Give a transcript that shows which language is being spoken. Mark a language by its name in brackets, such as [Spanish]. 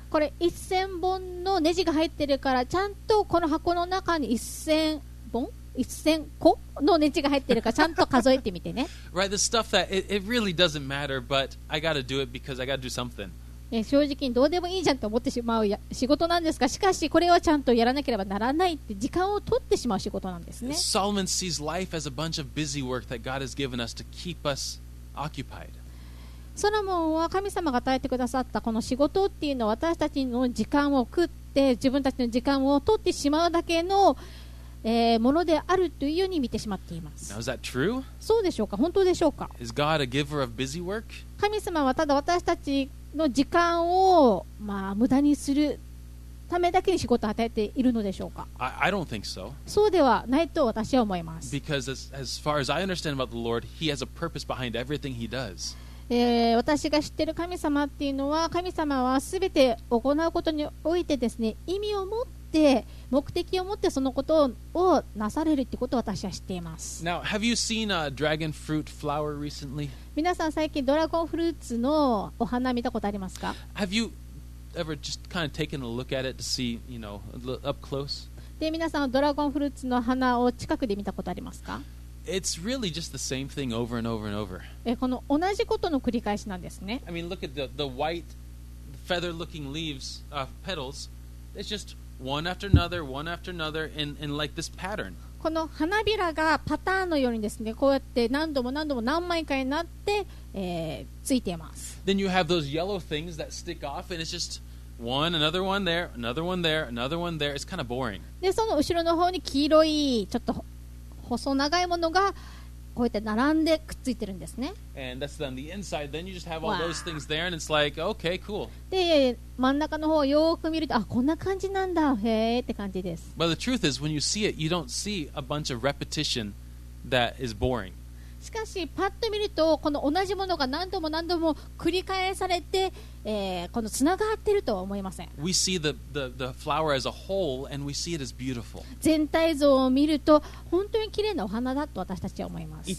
[Japanese] これ1000本のネジが入ってるから、ちゃんとこの箱の中に1000本 ?1000 個のネジが入ってるから、ちゃんと数えてみてね。 [English] Right, the stuff that it really doesn't matter, but I gotta do it because I gotta do something. [Japanese] 正直にどうでもいいじゃんと思ってしまう仕事なんですが、しかしこれはちゃんとやらなければならないって時間を取ってしまう仕事なんですね。 [English] ソロモン sees life as a bunch of busy work that God has given us to keep us occupied. [Japanese] ソロモンは神様が与えてくださったこの仕事っていうのは私たちの時間を食って自分たちの時間を取ってしまうだけの、ものであるというように見てしまっています。 [English] Now, is that true? [Japanese] そうでしょうか。本当でしょうか。 [English] Is God a giver of busy work? [Japanese] 神様はただ私たちの時間を、無駄にするためだけに仕事を与えているのでしょうか。 [English] I don't think so. [Japanese] そうではないと私は思います。 [English] Because as far as I understand about the Lord, He has a purpose behind everything He does. [Japanese] 私が知っている神様っていうのは、神様は全て行うことにおいてですね、意味を持って目的を持ってそのことをなされるってことを私は知っています。 [English] Now, have you seen a dragon fruit flower recently? [Japanese] 皆さん最近ドラゴンフルーツのお花見たことありますか? [English] Have you ever just kind of taken a look at it to see, you know, up close? [Japanese] で、皆さんドラゴンフルーツの花を近くで見たことありますか? [English] It's really just the same thing over and over and over. [Japanese] この同じことの繰り返しなんですね。 [English] I mean, look at the white feather looking leaves, petals. It's just one after another, in like this pattern. [Japanese] この花びらがパターンのようにですね、こうやって何度も何度も何枚かになって、ついています。 [English] Then you have those yellow things that stick off, and it's just one, another one there, another one there, another one there. It's kind of boring. [Japanese] で、その後ろの方に黄色いちょっと細長いものがこうやって並んでくっついてるんですね。 [English] And that's on the inside. Then you just have all those things there, and it's like, okay, cool. [Japanese] で、真ん中の方をよく見ると、あ、こんな感じなんだ、へーって感じです。 [English] But the truth is, when you see it, you don't see a bunch of repetition that is boring. [Japanese] しかし、パッと見ると、この同じものが何度も何度も繰り返されて、このつながってるとは思いません。 [English] We see the flower as a whole, and we see it as beautiful. [Japanese] 全体像を見ると、本当に綺麗なお花だと私たちは思います。